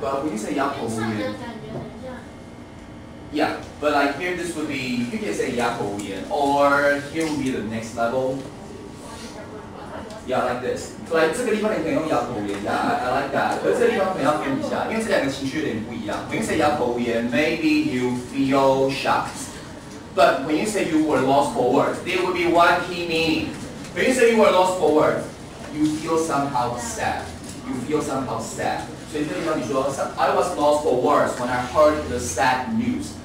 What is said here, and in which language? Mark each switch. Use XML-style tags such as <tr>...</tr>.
<en>But when you say 哑口无言, yeah, but like here this would be, you can say 哑口无言, or here would be the next level. Yeah, like this. So like,</en> <zh>这个地方你可以用哑口无言,</zh> <en>yeah, I like that.</en> <zh>可是这个地方可能要分一下, 因为这两个情绪有点不一样.</zh> <en>When you say 哑口无言, maybe you feel shocked. But when you say you were lost for words, there would be one key meaning. When you say you are lost for words, you feel somehow sad. You feel somehow sad.</en> <zh>所以这个地方你说</zh> <en>I was lost for words when I heard the sad news.</en>